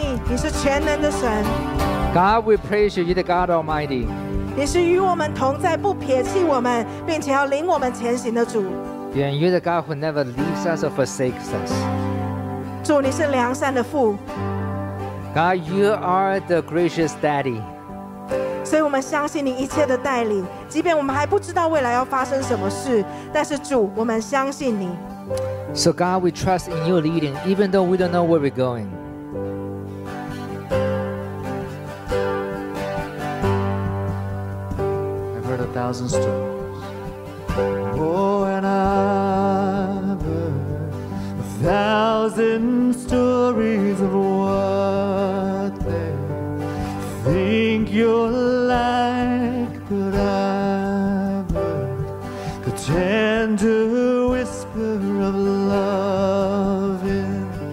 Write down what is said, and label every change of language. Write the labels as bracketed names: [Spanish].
[English] God, we praise you, you're the God Almighty. [Chinese] 你是与我们同在，不撇弃我们，并且要领我们前行的主。 [English] Yeah, you're the God who never leaves us or forsakes us. [Chinese] 主，你是良善的父。 [English] God, you are the gracious Daddy. [Chinese] 所以我们相信你一切的带领，即便我们还不知道未来要发生什么事，但是主，我们相信你。 [English] So God, we trust in your leading, even though we don't know where we're going. Thousand storms. Oh, and I've heard a thousand stories of what they think you're like, but I've heard the tender whisper of love in